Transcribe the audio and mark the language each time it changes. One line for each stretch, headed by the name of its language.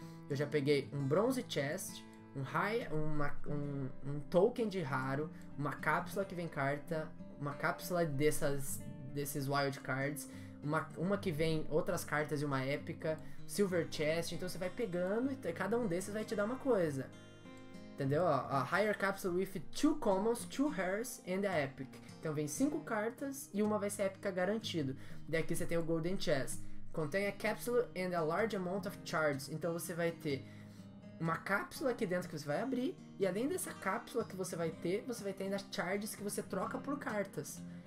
Portuguese: Eu já peguei um Bronze Chest, um token de raro, uma cápsula que vem carta, uma cápsula desses wild cards, uma que vem outras cartas e uma épica, silver chest. Então você vai pegando e cada um desses vai te dar uma coisa, entendeu?
English: A higher capsule with 2 commons, 2 rares and a epic.
Portuguese: Então vem 5 cartas e uma vai ser épica garantido. Daqui você tem o golden chest, contém
English: a capsule and a large amount of charges.
Portuguese: Então você vai ter uma cápsula aqui dentro que você vai abrir, e além dessa cápsula que você vai ter ainda charges que você troca por cartas.